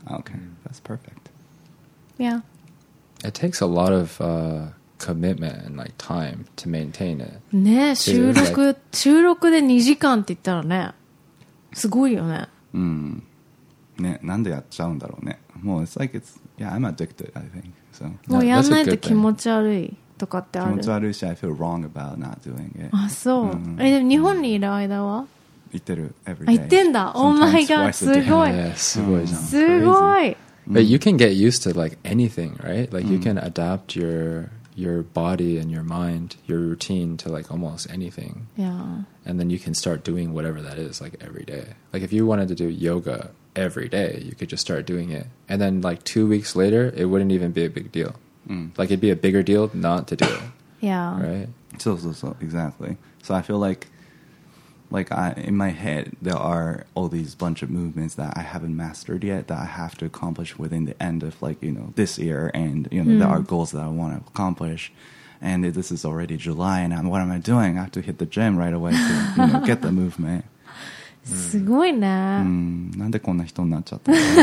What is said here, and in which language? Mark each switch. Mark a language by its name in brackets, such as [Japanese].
[English] Okay, that's perfect. Yeah. It takes a lot of commitment and like time to maintain it. [Japanese] ね、収録、like, 収録で2時間って言ったらね、すごいよね。ね、なんでやっちゃうんだろうね。 [English] もう it's like it's yeah I'm addicted I think so. [Japanese] もうやんないと気持ち悪いとかってある。気持ち悪いし [English] I feel wrong about not doing it. [Japanese] あ、そう。え、でも日本にいる間は？行ってる [English] every day。 [Japanese] 行ってんだ。 [English] Oh my god、 [Japanese] すごい。すごいじゃん。すごい。 [English] But you can get used to like anything, right? Like you can adapt your body and your mind, your routine to like almost anything. Yeah. And then you can start doing whatever that is like every day. Like if you wanted to do yoga every day, you could just start doing it. And then like 2 weeks later, it wouldn't even be a big deal. Like it'd be a bigger deal not to do it. Yeah. Right? So exactly. So I feel like I, in my head, there are all these bunch of movements that I haven't mastered yet that I have to accomplish within the end of, like, you know, this year. And, you know, there are goals that I want to accomplish. And this is already July, and what am I doing? I have to hit the gym right away to, you know, get the movement. [Japanese] すごいね。なんでこんな人になっちゃったの?